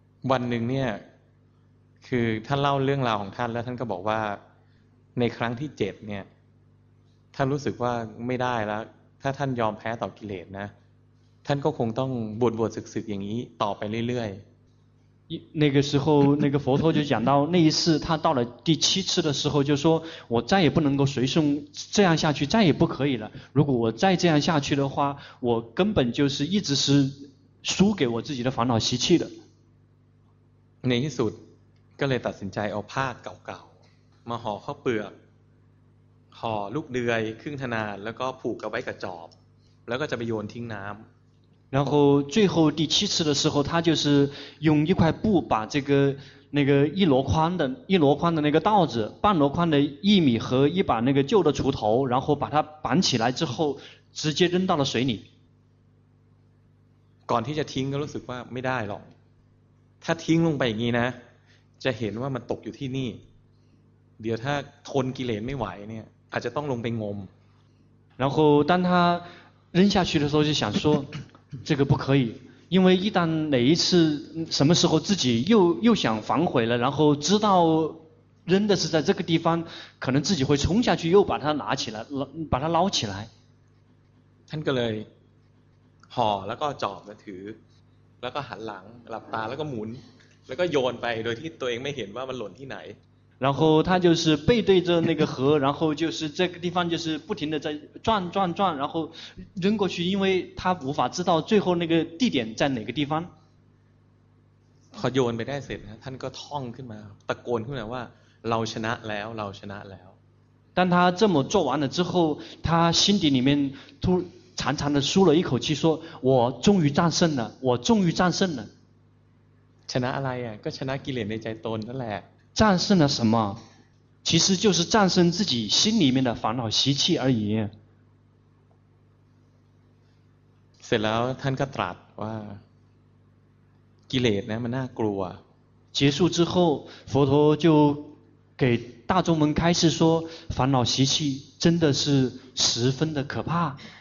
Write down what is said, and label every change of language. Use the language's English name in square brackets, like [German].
[Thai] วันหนึ่งเนี่ยคือท่านเล่าเรื่องราวของท่านแล้วท่านก็บอกว่าในครั้งที่7เนี่ยท่านรู้สึกว่าไม่ได้แล้วถ้าท่านยอมแพ้ต่อกิเลสนะท่านก็คงต้องบวชศึกๆอย่างนี้ต่อไปเรื่อย [Chinese] ๆ那个时候那个佛陀就讲到那一次他到了第七次的时候就说我再也不能够随顺这样下去再也不可以了如果我再这样下去的话我根本就是一直是输给我自己的烦恼习气的 [Thai] ในที่สุดก็เลยตัดสินใจเอาผ้าเก่าๆมาห่อข้าวเปลือกห่อลูกเดือยครึ่งทนานแล้วก็ผูกเอาไว้กับจอบแล้วก็จะไปโยนทิ้งน้ำ [Chinese] 然后最后第七次的时候他就是用一块布把这个那个一箩筐的那个稻子半箩筐的薏米和一把那个旧的锄头然后把它绑起来之后直接扔到了水里 [Thai] ก่อนที่จะทิ้งก็รู้สึกว่าไม่ได้หรอกถ้าทิ้งลงไปอย่างนี้นะจะเห็นว่ามันตกอยู่ที่นี่เดี๋ยวถ้าทนกิเลสไม่ไหวเนี่ยอาจจะต้องลงไปงม [Chinese] 然后当他扔下去的时候就想说这个不可以因为一旦哪一次什么时候自己又想反悔了然后知道扔的是在这个地方可能自己会冲下去又把它拿起来把它捞起来 [Thai] ท่านก็เลยห่อแล้วก็จอบมาถือแล้วก็หันหลังหลับตาแล้วก็หมุนแล้วก็โยนไปโดยที่ตัวเองไม่เห็นว่ามันหล่นที่ไหน [Chinese] 然后他就是背对着那个河然后就是这个地方就是不停的在转然后扔过去因为他无法知道最后那个地点在哪个地方 [Thai] พอโยนไปได้เสร็จนะท่านก็ท่องขึ้นมาตะโกนขึ้นมาว่าเราชนะแล้วเราชนะแล้ว [Chinese] 当他这么做完了之后他心底里面突长长的舒了一口气说我终于战胜了我终于战胜了 [Thai] ชนะอะไรอ่ะก็ชนะกิเลสในใจตนนั่นแหละ [Chinese] 战胜了什么其实就是战胜自己心里面的烦恼习气而已 [Thai] เสร็จแล้วท่านก็ตรัสว่ากิเลสนะมันน่ากลัว [Chinese] 结束之后佛陀就给大众们开示说烦恼习气真的是十分的可怕